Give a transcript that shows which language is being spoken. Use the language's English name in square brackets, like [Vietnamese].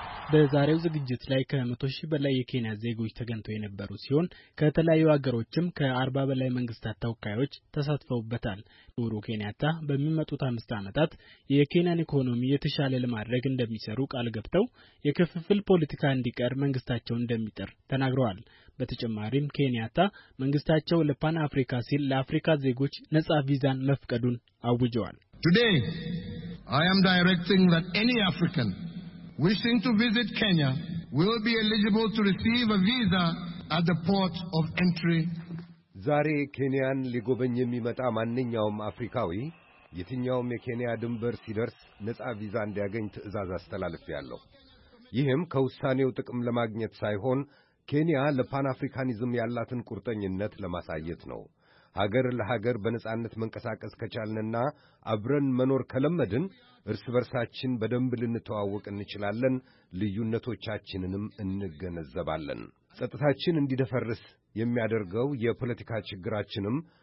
[Amharic] በዛሬው ዝግጅት ላይ ከመቶ ሺህ በላይ የኬንያ ዜጎች ተገኝተው የነበሩ ሲሆን ከተለያዩ አገሮችም ከአርባ በላይ መንግስታት ተወካዮች ተሳትፈውበታል። ኡሁሩ ኬንያታ በሚመጡት 5 ዓመታት የኬንያን ኢኮኖሚ የተሻለ ለማድረግ እንደሚሰሩ ቃል ገብተው የክፍፍል ፖለቲካ እንዲቀር መንግስታቸው እንደሚጥር ተናግረዋል። በተጨማሪም ኬንያታ መንግስታቸው ለፓን አፍሪካ ሲል ለአፍሪካ ዜጎች ነጻ ቪዛን መፍቀዱን አውጀዋል። [English] Today I am directing that any African wishing to visit Kenya will be eligible to receive a visa at the port of entry. [Amharic] ዛሬ ኬንያን ሊጎበኝ የሚመጣ ማንኛውም አፍሪካዊ የትኛውም የኬንያ ድንበር ሲደርስ ነጻ ቪዛ እንዲያገኝ ትዕዛዝ አስተላልፌያለሁ። ይህም ከውሳኔው ጥቅም ለማግኘት ሳይሆን ኬንያ ለፓን አፍሪካኒዝም ያላትን ቁርጠኝነት ለማሳየት ነው። ሀገር ለሀገር በነጻነት መንቀሳቀስ ከቻልንና አብረን መኖር ከለመድን እርስ በርሳችን በደንብ ልንተዋወቅ እንችላለን፣ ልዩነቶቻችንንም እንገነዘባለን። ጸጥታችን እንዲደፈርስ የሚያደርገው የፖለቲካ ችግራችንም